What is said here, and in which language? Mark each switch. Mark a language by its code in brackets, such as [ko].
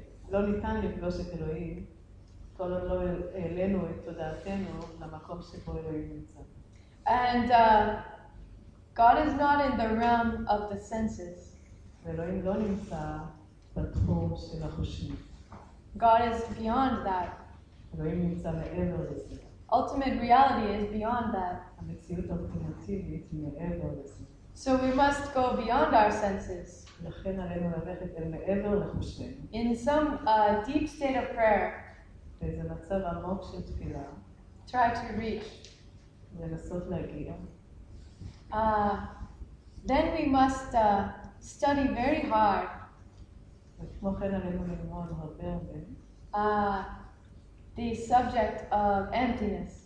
[he] לא ניתן לפגוש את אלוהים כל עוד לא העלינו את תודעתנו למקום שבו אלוהים נמצא. [en] And God is not in the realm of the senses. [he] ואלוהים לא נמצא בתחום של החושים. [en] God is beyond that. [he] אלוהים נמצא מעבר לזה. [en] Ultimate reality is beyond that. [he] המציאות האולטימטיבית מעבר לזה. [en] So we must go beyond our senses. [he] לכן עלינו ללכת אל מעבר לחושים. [en] In some deep state of prayer. [he] באיזה מצב עמוק של תפילה. [en] Try to reach. [he] לנסות להגיע. [en] Then we must study very hard. [he] וכמו כן עלינו ללמוד הרבה הרבה. [en] The subject of emptiness.